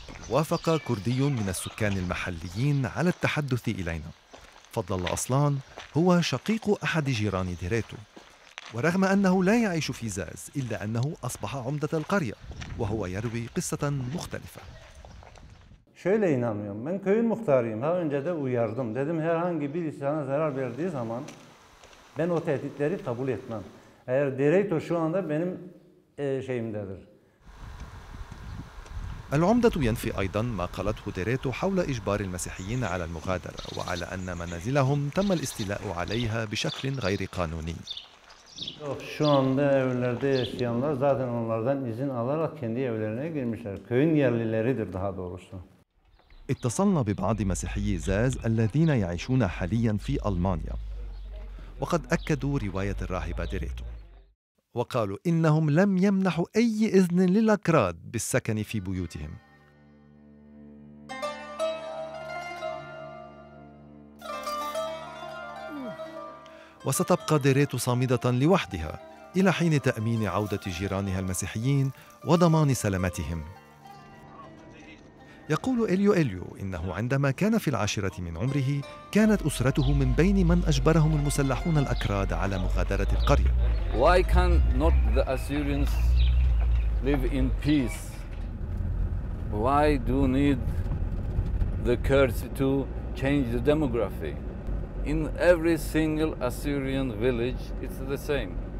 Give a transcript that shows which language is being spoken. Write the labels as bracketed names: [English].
[Arabic] وافق كردي من السكان المحليين على التحدث إلينا. فضل الله أصلان هو شقيق أحد جيران ديريتو، ورغم أنه لا يعيش في زاز إلا أنه أصبح عمدة القرية، وهو يروي قصة مختلفة. [Turkish] şöyle inanmıyorum. Ben köyün muhtarıyım. Ha önce de uyardım. Dedim herhangi birisi sana zarar verdiği zaman ben o tehditleri kabul etmem. Eğer ديريتو şu anda benim şeyimdedir. [Arabic] العمدة ينفي أيضاً ما قالته ديريتو حول إجبار المسيحيين على المغادرة وعلى أن منازلهم تم الاستيلاء عليها بشكل غير قانوني. [Turkish] şu anda evlerde yaşayanlar zaten onlardan izin alarak kendi evlerine girmişler. Köyün yerlileridir daha doğrusu. [Arabic] اتصلنا ببعض مسيحيي زاز الذين يعيشون حالياً في ألمانيا، وقد أكدوا رواية الراهبة ديريتو، وقالوا إنهم لم يمنحوا أي إذن للأكراد بالسكن في بيوتهم. وستبقى ديريتو صامدة لوحدها إلى حين تأمين عودة جيرانها المسيحيين وضمان سلامتهم. يقول إليو إليو إنه عندما كان في العاشرة من عمره كانت أسرته من بين من أجبرهم المسلحون الأكراد على مغادرة القرية. [English] Why can not the Assyrians live in peace? Why do need the Kurds to change the demography? In every single Assyrian village it's the same.